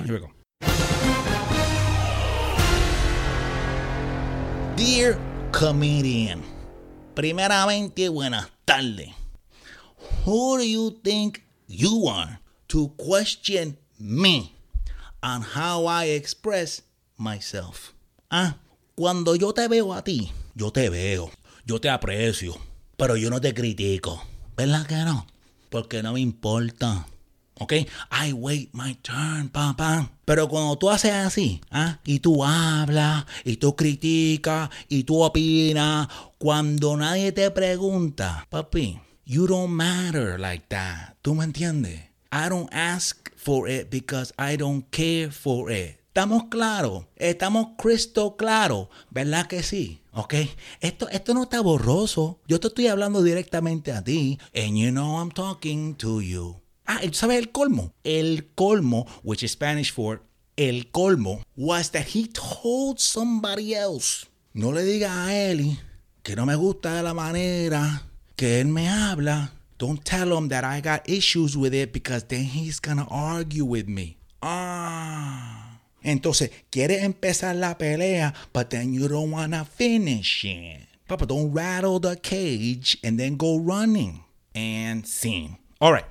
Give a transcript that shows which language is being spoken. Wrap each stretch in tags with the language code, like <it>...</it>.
<en>for it. Here we go. Dear comedian,</en> <es>primeramente, buenas tardes.</es> <en>Who do you think you are to question me on how I express myself?</en> <es>Ah, cuando yo te veo a ti, yo te veo, yo te aprecio, pero yo no te critico. ¿Verdad que no? Porque no me importa. ¿Ok?</es> <en>I wait my turn,</en> <es>papá. Pero cuando tú haces así, y tú hablas, y tú criticas, y tú opinas, cuando nadie te pregunta, papi,</es> <en>you don't matter like that.</en> <es>¿Tú me entiendes?</es> <en>I don't ask for it because I don't care for it.</en> <es>¿Estamos claros? ¿Estamos crystal claro? ¿Verdad que sí? ¿Ok? Esto no está borroso. Yo te estoy hablando directamente a ti.</es> <en>And you know I'm talking to you.</en> <es>Ah, ¿tú sabes el colmo?</es> <en>El colmo, which is Spanish for el colmo, was that he told somebody else.</en> <es>No le diga a Eli que no me gusta de la manera que él me habla.</es> <en>Don't tell him that I got issues with it because then he's gonna argue with me. Ah.</en> <es>Entonces, quieres empezar la pelea,</es> <en>but then you don't wanna finish it. Papa, don't rattle the cage and then go running. And scene. All right.</en>